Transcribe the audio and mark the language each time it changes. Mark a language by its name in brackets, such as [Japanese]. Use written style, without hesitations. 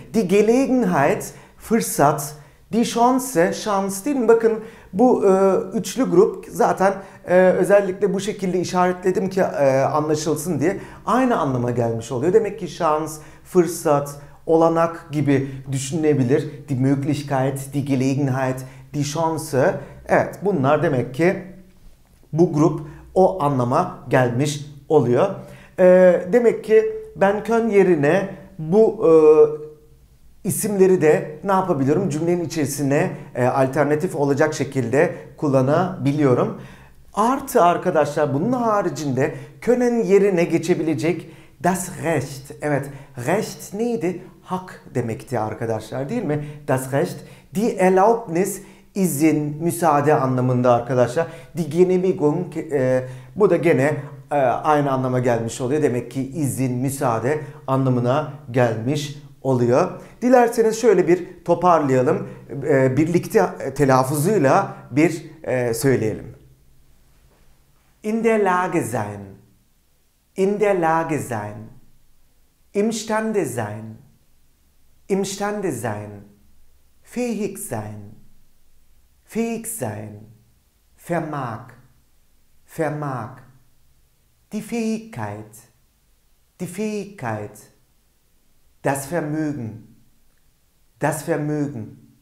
[German] Die Gelegenheit, fırsat. Die Chance, [Turkish] şans değil mi? Bakın bu üçlü grup zaten özellikle bu şekilde işaretledim ki anlaşılsın diye aynı anlama gelmiş oluyor. Demek ki şans, fırsat, olanak gibi düşünülebilir. [German] Die Möglichkeit, die Gelegenheit, die Chance. [Turkish] Evet, bunlar demek ki bu grup o anlama gelmiş oluyor. Demek ki ben kön yerine bu isimleri de ne yapabiliyorum? Cümlenin içerisine alternatif olacak şekilde kullanabiliyorum. Artı arkadaşlar bunun haricinde können yerine geçebilecek das Recht. Evet, Recht neydi? Hak demekti arkadaşlar, değil mi? [German] Das Recht, die Erlaubnis, [Turkish] izin, müsaade anlamında arkadaşlar. [German] Die Genehmigung, [Turkish] bu da gene aynı anlama gelmiş oluyor. Demek ki izin, müsaade anlamına gelmiş oluyor. Dilerseniz şöyle bir toparlayalım. Birlikte telaffuzuyla bir söyleyelim. [German] In der Lage sein, in der Lage sein, imstande sein, imstande sein, fähig sein, fähig sein, vermag, vermag, die Fähigkeit, das Vermögen, das Vermögen.